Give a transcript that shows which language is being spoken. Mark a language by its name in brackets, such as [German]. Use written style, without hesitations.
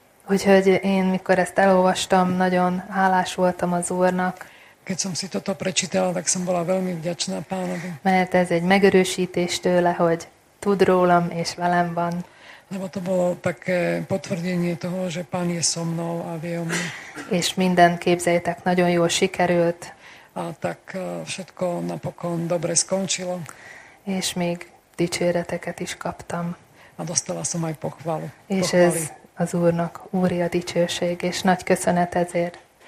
[Hungarian] Úgyhogy én mikor ezt elolvastam, nagyon hálás voltam az Úrnak. [Slovak] Keď som si toto prečítala, tak som bola veľmi vďačná Pánovi. [Hungarian] Mert ez egy megerősítés tőle, hogy tud rólam és velem van. [Slovak] Lebo to bolo také potvrdenie toho, že Pán je so mnou a vie o mne. [Hungarian] És minden, képzeljétek, nagyon jól sikerült. [Slovak] A tak všetko napokon dobre skončilo. [Hungarian] És még dicséreteket is kaptam. [Slovak] A dostala som aj pochvalu. [Hungarian] És ez az Úrnak úri a dicsőség, és nagy köszönet ezért.